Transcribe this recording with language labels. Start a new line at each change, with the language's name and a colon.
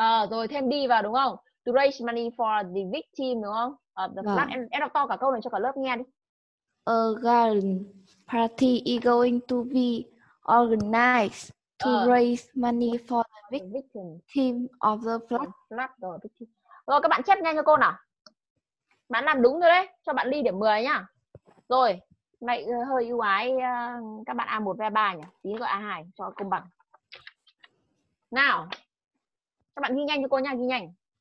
Vietnamese: Rồi thêm đi vào đúng không?
English: To raise money for the victim
Vietnamese: đúng không? Em đọc to cả câu này cho cả lớp nghe đi.
English: A garden party is going to be organized to raise money for the victim team of the flood.
Vietnamese: Rồi các bạn chép nhanh cho cô nào. Bạn làm đúng rồi đấy, cho bạn ly điểm 10 nhá. Rồi. Mày hơi ưu ái các bạn A1 và A3 nhỉ? Tí gọi A2 cho công bằng. Nào. Các bạn ghi nhanh cho cô nha, ghi nhanh.